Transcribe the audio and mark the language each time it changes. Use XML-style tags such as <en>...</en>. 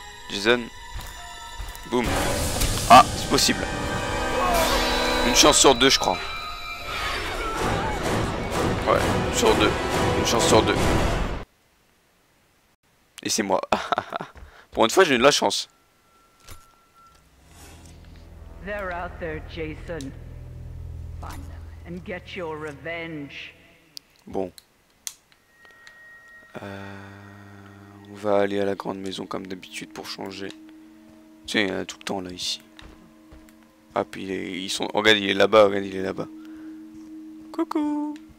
<fr>Jason. Boum. Ah, c'est possible. Une chance sur deux, je crois. Ouais, sur deux. Une chance sur deux. Et c'est moi. Pour une fois, j'ai eu de la chance.</fr> <en>They're out there, Jason. Find them and get your revenge.</en> <fr>Bon. On va aller à la grande maison comme d'habitude pour changer. Tiens, il y en a tout le temps là ici. Ah, puis ils sont. Regarde, il est là-bas. Regarde, il est là-bas. Coucou.</fr>